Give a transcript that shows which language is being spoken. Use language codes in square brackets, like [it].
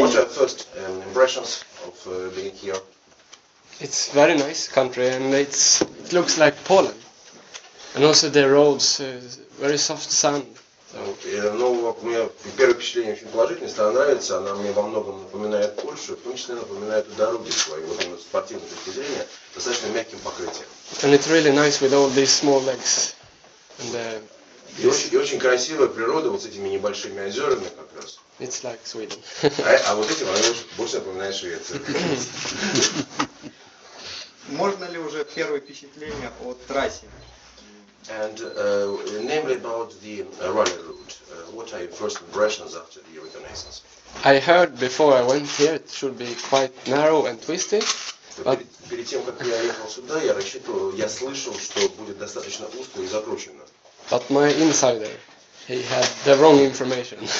[en] What are your first impressions of being here? It's very nice country and it looks like Poland. And also the roads, very soft sand. [ru] Ну, у меня первое впечатление очень положительное, страна нравится, она мне во многом напоминает Польшу, в том числе напоминает дороги свои, вот именно с спортивной точки зрения, достаточно мягким покрытием. [en] And it's really nice with all these small lakes. And, [ru] И очень красивая природа вот с этими небольшими озерами как раз. [en] It's like Sweden. [ru] А вот этим она больше напоминает Швецию. Можно ли уже первое впечатление о трассе? [en] And namely about the rally route, what are your first impressions after the reconnaissance? I heard before I went here it should be quite narrow and twisty. But [ru] перед тем, как я ехал сюда, я слышал, что будет достаточно узко и закручено. [en] But my insider, he had the wrong information.